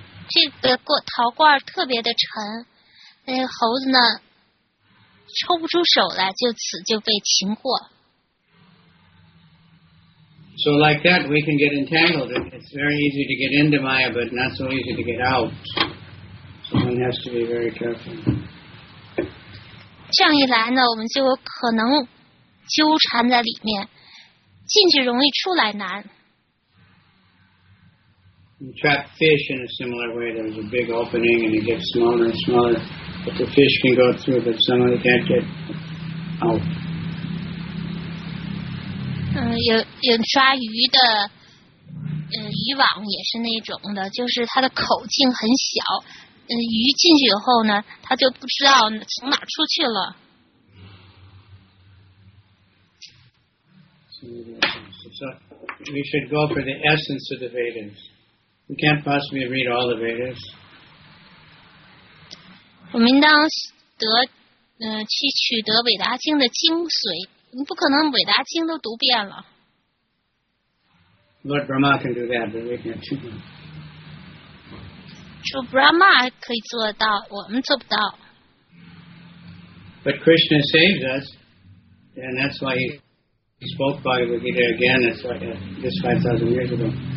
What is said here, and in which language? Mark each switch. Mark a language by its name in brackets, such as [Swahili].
[Chinese] 这个陶罐特别的沉，那个猴子呢，抽不出手来，就此就被擒获。 [English] So like that, we can get entangled. It's very easy to get into Maya, but not so easy to get out. So one has to be very careful. [Chinese] 这样一来呢，我们就可能纠缠在里面，进去容易出来难。 [English] You trap fish in a similar way. There's a big opening and it gets smaller and smaller. But the fish can go through, but somebody can't get out. [Chinese] 有抓鱼的渔网也是那种的，就是它的口径很小，鱼进去以后呢，它就不知道从哪出去了。 [English] So we should go for the essence of the Vedas. We can't possibly read all the Vedas. [Chinese] 我们应当去取得伟达经的精髓。我们不可能伟达经都读遍了。 [English] Lord Brahma can do that, but we can't do that. [Chinese] 主 Brahma 可以做到，我们做不到。 [English] But Krishna saves us, and that's why he spoke Bhagavad Gita again, it's like this 5,000 years ago.